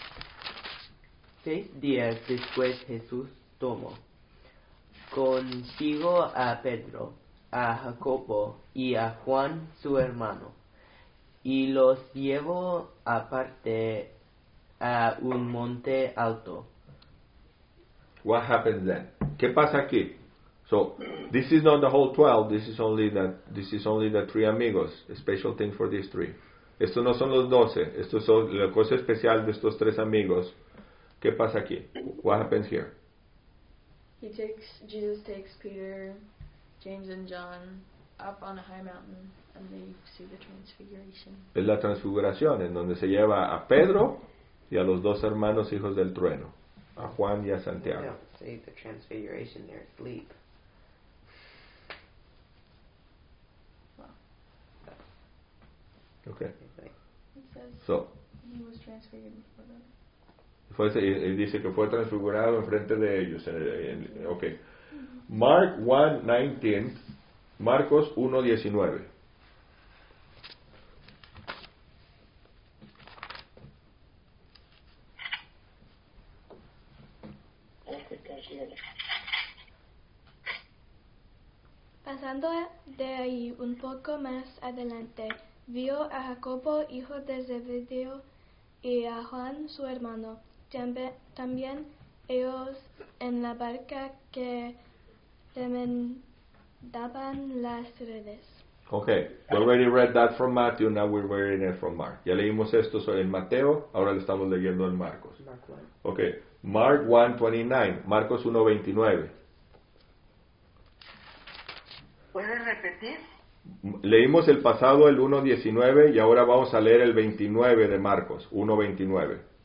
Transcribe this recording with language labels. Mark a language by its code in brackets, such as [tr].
[es] 6 días después Jesús tomó consigo a Pedro, a Jacobo y a Juan, su hermano, y los llevó aparte a un monte alto. [en] What happens then? [es] ¿Qué pasa aquí? [en] So, this is not the whole 12, this is only the three amigos, a special thing for these three. [es] Estos no son los 12, esto es la cosa especial de estos tres amigos. ¿Qué pasa aquí? [en] What happens here? Jesus takes Peter, James and John up on a high mountain and they see the transfiguration. [es] Es la transfiguración, en donde se lleva a Pedro, y a los dos hermanos hijos del trueno, a Juan y a Santiago. [en] You don't say the transfiguration, they're asleep. Okay. It says he was transfigured before them. [es] Él dice que fue transfigurado en frente de ellos. [en] Okay. Mark 1:19. [es] Marcos 1:19. Pasando de ahí un poco más adelante, vio a Jacobo, hijo de Zebedeo, y a Juan, su hermano. También ellos en la barca que remendaban las redes. [en] Okay, we already read that from Matthew, now we're reading it from Mark. [es] Ya leímos esto en Mateo, ahora lo estamos leyendo en Marcos. [en] Okay, Mark 1:29, Marcos 1:29. [es] ¿Puedes repetir? Leímos el pasado, el 1:19, y ahora vamos a leer el 29 de Marcos, 1:29.